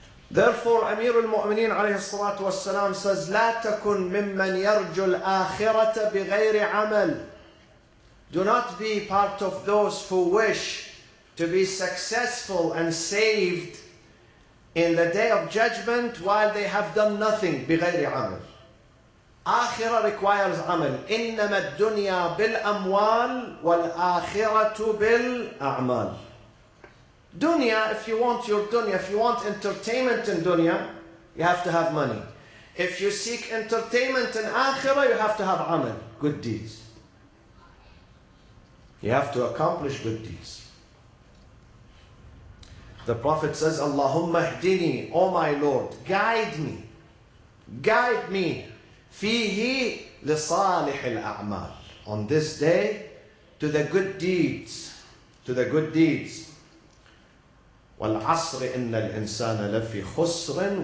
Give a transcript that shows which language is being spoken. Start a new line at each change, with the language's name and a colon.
English: Therefore, Amir al-Mu'mineen alayhi salatu wa salam says,
Arabic: لا تكن ممن يرجو الآخرة بغير عمل.
English: Do not be part of those who wish to be successful and saved in the day of judgment while they have done nothing
Arabic: بغير عمل.
English: Akhirah requires عمل.
Arabic: إنما الدنيا بالأموال والآخرة بالأعمال.
English: Dunya, if you want your dunya, if you want entertainment in dunya, you have to have money. If you seek entertainment in akhirah, you have to have amal, good deeds. You have to accomplish good deeds. The Prophet says,
Arabic: Allahumma ihdini,
English: O my Lord, guide me. Guide me.
Arabic: Fihi lisalih al-a'mal.
English: On this day, to the good deeds. To the good deeds.
Arabic: والعصر إن الإنسان لفي خسر.